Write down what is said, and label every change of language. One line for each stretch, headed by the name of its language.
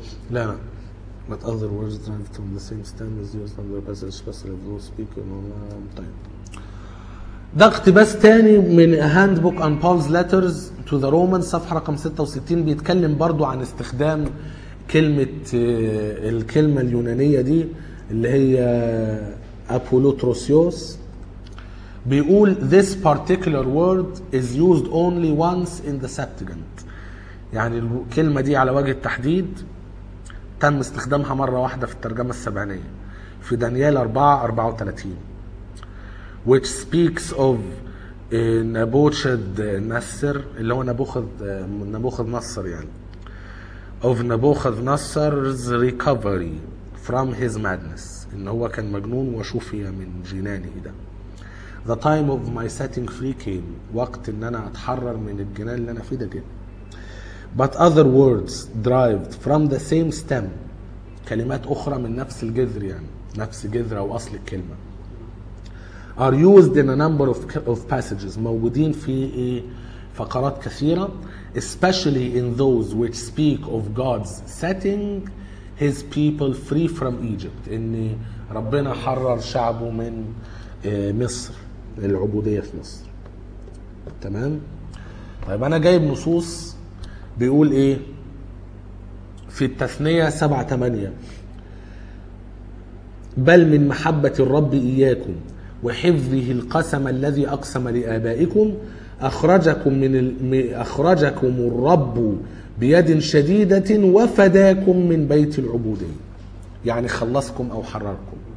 English: لا but other words derived from the same stem is used on the passage especially if those speak in all time.
Arabic: ده اقتباس تاني من handbook on Paul's letters to the Romans صفحة رقم 66 بيتكلم برضو عن استخدام كلمة الكلمة اليونانية دي اللي هي apolutrosios.
English: بيقول this particular word is used only once in the Septuagint.
Arabic: يعني الكلمة دي على وجه التحديد تم استخدامها مرة واحدة في الترجمة السبعينية في دانيال 4:34
English: which speaks of Nebuchadnezzar
Arabic: اللي هو نبوخذ نصر يعني
English: of Nebuchadnezzar's recovery from his madness
Arabic: ان هو كان مجنون وشوفي من جنانه. ده
English: the time of my setting free came
Arabic: وقت ان انا اتحرر من الجنان اللي انا فيه ده جدا.
English: But other words derived from the same stem
Arabic: كلمات أخرى من نفس الجذر يعني نفس جذر أو أصل الكلمة
English: are used in a number of passages
Arabic: موجودين في فقرات كثيرة
English: especially in those which speak of God's setting his people free from Egypt
Arabic: إن ربنا حرر شعبه من مصر العبودية في مصر. تمام. طيب أنا جايب نصوص بيقول ايه في التثنية 7:8 بل من محبة الرب اياكم وحفظه القسم الذي أقسم لآبائكم أخرجكم من أخرجكم الرب بيد شديدة وفداكم من بيت العبودية، يعني خلصكم أو حرركم.